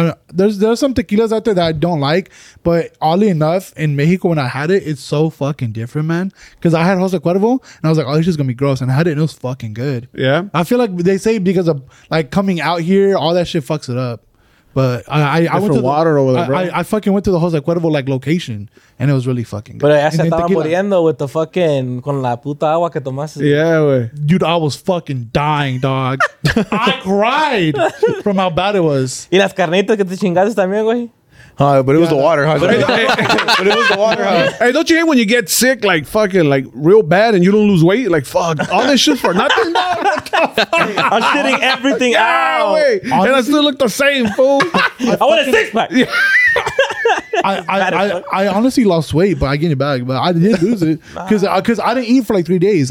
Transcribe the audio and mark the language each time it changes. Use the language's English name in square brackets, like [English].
[English] There's some tequilas out there that I don't like, but oddly enough, in Mexico when I had it, it's so fucking different, man. Because I had Jose Cuervo and I was like, oh, this is gonna be gross, and I had it and it was fucking good. Yeah. I feel like they say because of like coming out here, all that shit fucks it up. But I went to water the, over there, bro. I fucking went to the Jose Cuervo like location, and it was really fucking good. But I [Spanish] estaba muriendo [English] with the fucking [Spanish] con la puta agua que tomaste. [English] Yeah, wey. Dude, I was fucking dying, dog. I cried from how bad it was. [Spanish] Y las carnitas que te chingaste también, güey. [English] But it was the water, huh? But it was the water, huh? Hey, don't you hate when you get sick, like fucking, like real bad, and you don't lose weight? Like, fuck, all this shit for nothing? I'm shitting everything out. Wait. And I still look the same, fool. I want a six pack. I honestly lost weight, but I gained it back. But I did lose it because I didn't eat for like 3 days.